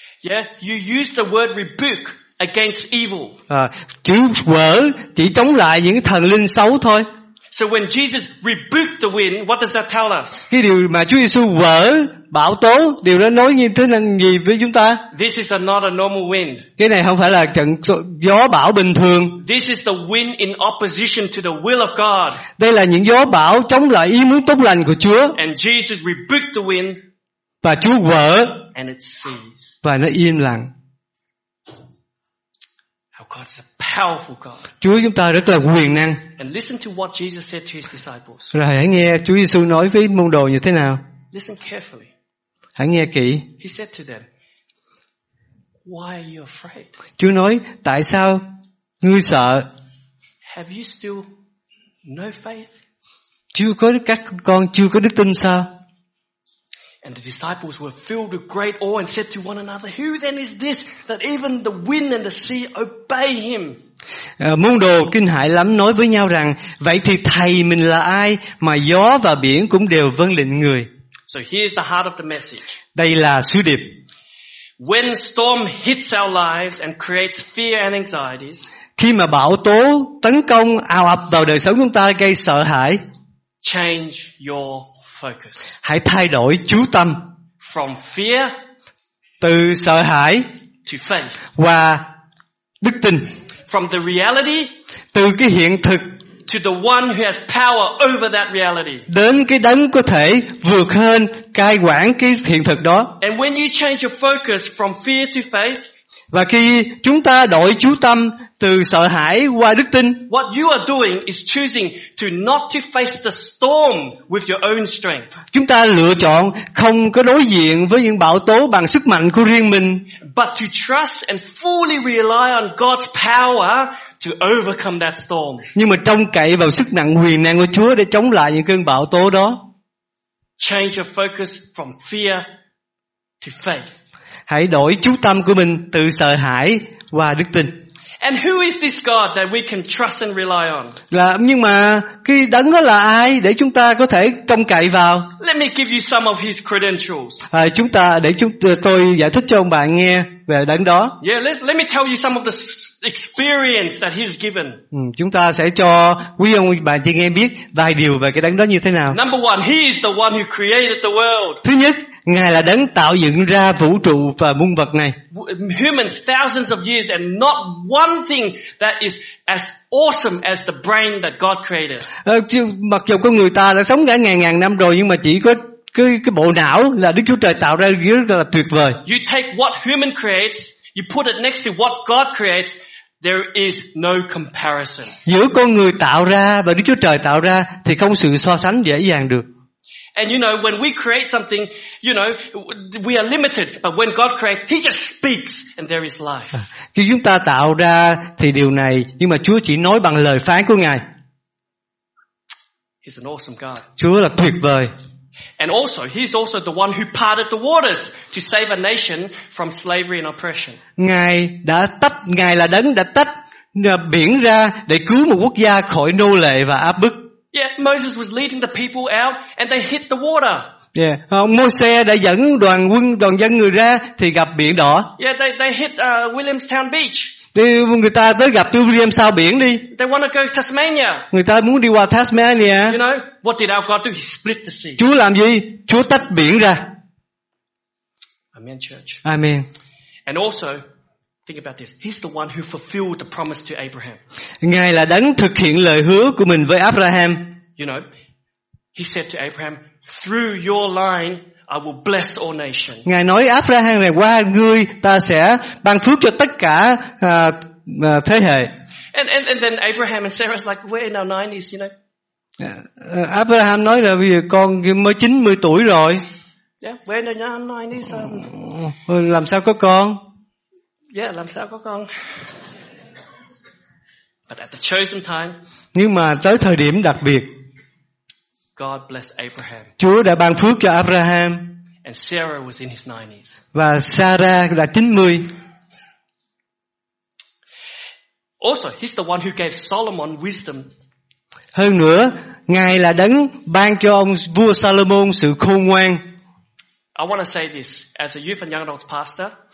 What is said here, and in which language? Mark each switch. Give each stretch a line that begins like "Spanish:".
English: Yeah, you use the word rebuke against evil.
Vietnamese: Chữ vỡ chỉ chống lại những thần linh xấu thôi.
English: So when Jesus rebuked the wind, what does that tell us?
Vietnamese: Cái điều mà Chúa Giêsu vỡ bão tố, điều đó nói như thế năng gì với chúng ta?
English: This is not a normal wind.
Vietnamese: Cái này không phải là trận gió bão bình thường.
English: This is the wind in opposition to the will of God.
Vietnamese: Đây là những gió bão chống lại ý muốn tốt lành của Chúa.
English: And Jesus rebuked the wind.
Vietnamese: Và Chúa vỡ.
English: And it ceased.
Vietnamese: Và nó yên lặng.
English: Our God is a powerful God.
Vietnamese: Chúa chúng ta rất là quyền năng.
English: And listen to what Jesus said to his disciples.
Vietnamese: Rồi hãy nghe Chúa Giêsu nói với môn đồ như thế nào.
English: Listen carefully.
Vietnamese: Hãy nghe kỹ.
English: He said to them, "Why are you afraid?"
Vietnamese: Chúa nói, tại sao ngươi sợ?
English: Have you still no faith?
Vietnamese: Chưa có các con chưa có đức tin sao?
English: And the disciples were filled with great awe and said to one another, "Who then is this that even the wind and the sea obey him?"
Vietnamese: Môn đồ kinh hãi lắm nói với nhau rằng, vậy thì thầy mình là ai mà gió và biển cũng đều vâng lệnh người?
English: So here's the heart of the message.
Vietnamese: Đây là sứ điệp.
English: When storm hits our lives and creates fear and anxieties,
Vietnamese: khi mà bão tố tấn công ào ập vào đời sống chúng ta gây sợ hãi,
English: change your focus.
Vietnamese: Hãy thay đổi chú tâm
English: from fear
Vietnamese: từ sợ hãi
English: to faith
Vietnamese: qua đức tin,
English: from the reality
Vietnamese: từ cái hiện thực
English: to the one who has power over that reality,
Vietnamese: đến cái đấng có thể vượt hơn cai quản cái hiện thực đó.
English: And when you change your focus from fear to faith,
Vietnamese: và khi chúng ta đổi chú tâm từ sợ hãi qua đức tin,
English: what you are doing is choosing to not to face the storm with your own strength.
Vietnamese: Chúng ta lựa chọn không có đối diện với những bão tố bằng sức mạnh của riêng mình,
English: but to trust and fully rely on God's power to overcome that storm.
Vietnamese: Nhưng mà trông cậy vào sức mạnh quyền năng của Chúa để chống lại những cơn bão tố đó.
English: Change your focus from fear to faith.
Vietnamese: Hãy đổi chú tâm của mình từ sợ hãi qua đức tin.
English: And who is this God that we can trust and rely on?
Vietnamese: Là nhưng mà cái đấng đó là ai để chúng ta có thể trông cậy vào?
English: Let me give you some of his credentials.
Vietnamese: Chúng ta để chúng tôi giải thích cho ông bạn nghe về đấng đó.
English: Yeah, let me tell you some of the experience that he's given.
Vietnamese: Chúng ta sẽ cho quý ông bà chị nghe biết vài điều về cái đấng đó như thế nào.
English: Number one, he is the one who created the world.
Vietnamese: Thứ nhất, Ngài là đấng tạo dựng ra vũ trụ và muôn vật này.
English: Humans thousands of years and not one thing that is as awesome as the brain that God created.
Vietnamese: Mặc dù con người ta đã sống cả ngàn ngàn năm rồi nhưng mà chỉ có cái bộ não là Đức Chúa Trời tạo ra rất là tuyệt vời.
English: You take what human creates, you put it next to what God creates, there is no comparison.
Vietnamese: Giữa con người tạo ra và Đức Chúa Trời tạo ra thì không sự so sánh dễ dàng được.
English: And you know, when we create something, you know, we are limited. But when God creates, He just speaks and there is life.
Vietnamese: Khi chúng ta tạo ra thì điều này, nhưng mà Chúa chỉ nói bằng lời phán của Ngài.
English: He's an awesome God.
Vietnamese: Chúa là tuyệt vời.
English: And also, He's also the one who parted the waters to save a nation from slavery and oppression.
Vietnamese: Ngài là đấng đã tách biển ra để cứu một quốc gia khỏi nô lệ và áp bức.
English: Yeah, Moses was leading the people out and they hit the water.
Vietnamese: Yeah, Môi-se đã dẫn đoàn dân người ra thì gặp biển đỏ.
English: Yeah, they hit Williamstown Beach.
Vietnamese: Thì người ta tới gặp Williamstown biển đi.
English: They want to go to Tasmania.
Vietnamese: Người ta muốn đi qua Tasmania.
English: You know, what did our God do? He split the sea.
Vietnamese: Chúa làm gì? Chúa tách biển ra.
English: Amen, church.
Vietnamese: Amen.
English: And also, Think about this. He's the one who fulfilled the promise to Abraham.
Vietnamese: Ngài là đấng thực hiện lời hứa của mình với Abraham.
English: You know, he said to Abraham, "Through your line, I will bless all nations."
Vietnamese: Ngài nói Abraham rằng qua ngươi ta sẽ ban phước cho tất cả thế hệ.
English: And then Abraham and Sarah's like, "We're in our 90s, you know."
Vietnamese: Abraham nói là bây giờ con mới 90 tuổi rồi.
English: Yeah, we're in our 90s.
Vietnamese: Làm sao có con? Yeah, làm sao có con?
English: But at the chosen time.
Vietnamese: Nhưng mà tới thời điểm đặc biệt.
English: God bless Abraham.
Vietnamese: Chúa đã ban phước cho Abraham.
English: And Sarah was in his 90s.
Vietnamese: Và Sarah là 90.
English: Also, he's the one who gave Solomon wisdom.
Vietnamese: Hơn nữa, Ngài là đấng ban cho ông vua Salomon sự khôn ngoan.
English: I want to say this as a youth and young adults pastor.